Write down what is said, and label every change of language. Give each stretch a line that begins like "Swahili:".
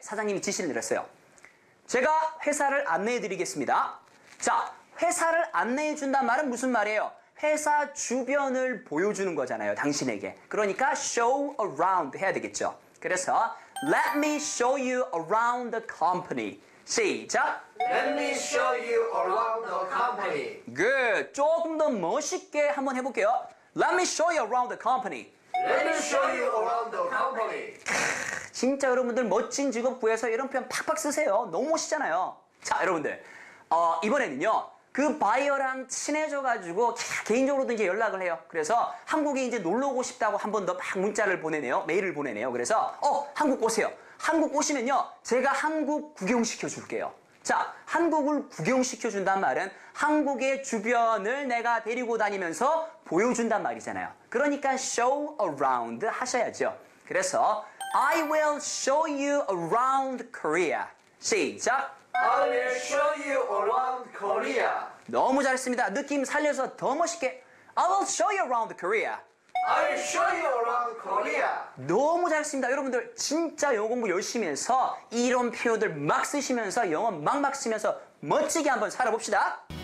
Korean: 사장님이 지시를 내렸어요. 제가 회사를 안내해 드리겠습니다. 자, 회사를 안내해 준다는 말은 무슨 말이에요? 회사 주변을 보여주는 거잖아요, 당신에게. 그러니까 show around 해야 되겠죠. 그래서
English: let me show you around the company.
Korean: 시작!
English: Let me show you around the company. Good!
Korean: 조금 더 멋있게 한번 해볼게요.
English: Let me show you around the company. Let me show you around the company.
Korean: 진짜 여러분들 멋진 직업 구해서 이런 표현 팍팍 쓰세요. 너무 멋있잖아요. 자, 여러분들 이번에는요. 그 바이어랑 친해져가지고 개인적으로도 이제 연락을 해요. 그래서 한국에 이제 놀러오고 싶다고 한 번 더 막 문자를 보내네요. 메일을 보내네요. 그래서 한국 오세요. 한국 오시면요. 제가 한국 구경시켜줄게요. 자, 한국을 구경시켜준단 말은 한국의 주변을 내가 데리고 다니면서 보여준단 말이잖아요. 그러니까 show around 하셔야죠. 그래서
English: I will show you around Korea.
Korean: 시작!
English: I will show you around Korea.
Korean: 너무 잘했습니다. 느낌 살려서 더 멋있게
English: I will show you around Korea. I will show you around Korea.
Korean: 너무 잘했습니다. 여러분들 진짜 영어 공부 열심히 해서 이런 표현들 막 쓰시면서 영어 막 쓰면서 멋지게 한번 살아봅시다.